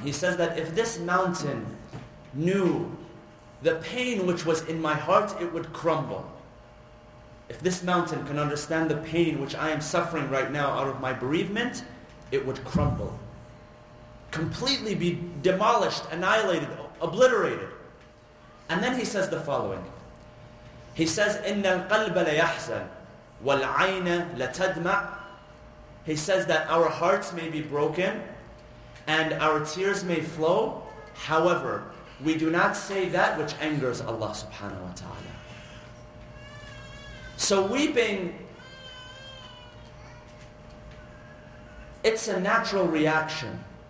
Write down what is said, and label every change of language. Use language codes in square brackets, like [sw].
[en] He says that if this mountain knew the pain which was in my heart, it would crumble. If this mountain can understand the pain which I am suffering right now out of my bereavement, it would crumble. Completely be demolished, annihilated, obliterated. And then he says the following. He says, [ar] إِنَّ الْقَلْبَ لَيَحْزَنْ وَالْعَيْنَ لَتَدْمَعْ. [en] He says that our hearts may be broken and our tears may flow. However, we do not say that which angers Allah subhanahu wa ta'ala. So weeping, it's a natural reaction.